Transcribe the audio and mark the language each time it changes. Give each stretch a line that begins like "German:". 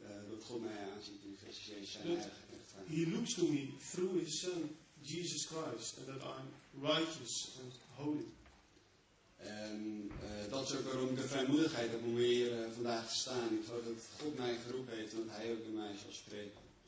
Dutch: dat God mij aanziet in Christus Jezus zijn heiligheid en rechtvaardigheid.
English: He looks to me through his son, Jesus Christ, and that I'm righteous and holy.
Dutch: En dat is ook waarom ik de vrijmoedigheid heb om hier vandaag te staan. Ik geloof dat God mij geroepen heeft, want Hij ook in mij zal spreken.